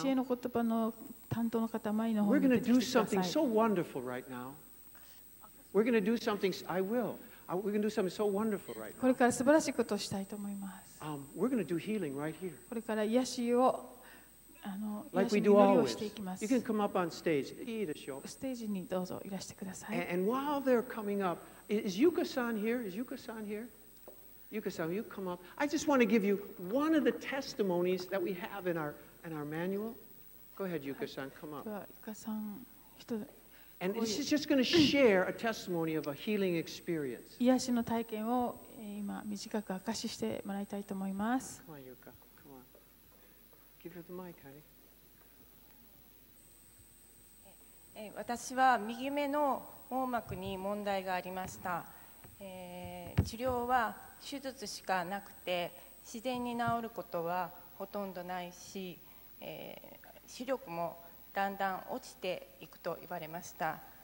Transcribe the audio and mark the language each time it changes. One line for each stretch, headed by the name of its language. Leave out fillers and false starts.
Japanese: 知恵の言葉の担当の方、前の方に出てきてください
English: We're going to do something so wonderful right now. We're going to do something. I will. We're going to do something so wonderful right now.
Japanese: これから素晴らしいことをしたいと思います。
English: We're going to do healing right here.
Japanese: これから癒しを
English: Like we do always. You can come up on stage.
Japanese: いいでしょう。ステージにどうぞいらしてください。
English: And while they're coming up, is Yuka-san here? Is Yuka-san here? Yuka-san, you come up. I just want to give you one of the testimonies that we have in our manual. Go ahead, Yuka-san, come up. Yuka-san, And this is just going to share a testimony of a healing experience.
Japanese: 癒しの体験を今短く明かししてもらいたいと思います。
English: Come on, Yuka. Come on. Give her the mic, honey.
Japanese: 私は右目の網膜に問題がありました、治療は手術しかなくて自然に治ることはほとんどないし、視力もだんだん落ちていくと言われました。